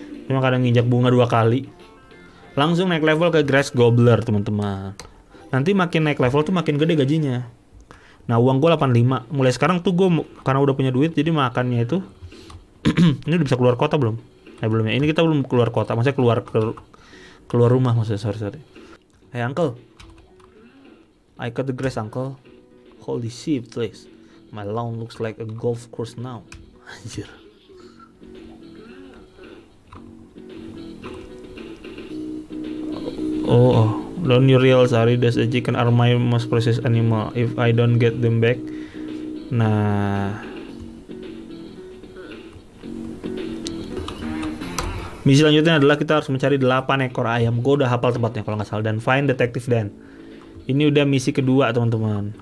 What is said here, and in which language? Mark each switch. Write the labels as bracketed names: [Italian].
[Indonesian] Cuma kadang nginjak bunga dua kali. Langsung naik level ke Grass Gobbler, teman-teman. Nanti makin naik level tuh makin gede gajinya. Nah, uang gue 85. Mulai sekarang tuh gue, karena udah punya duit, jadi makannya itu... ini udah bisa keluar kota belum? Belum ya. Ini kita belum keluar kota. Maksudnya keluar ke... keluar rumah maksudnya, sorry. [English] Hey, uncle. I cut the grass, uncle. Holy shit, please. My lawn looks like a golf course now. Anjir. Oh, don't you realize, sorry, that the chicken are my most precious animal. If I don't get them back, [Indonesian] nah, misi selanjutnya adalah kita harus mencari 8 ekor ayam. Gue udah hafal tempatnya kalau nggak salah. Dan [English] find Detective Dan. [Indonesian] Ini udah misi kedua, teman-teman.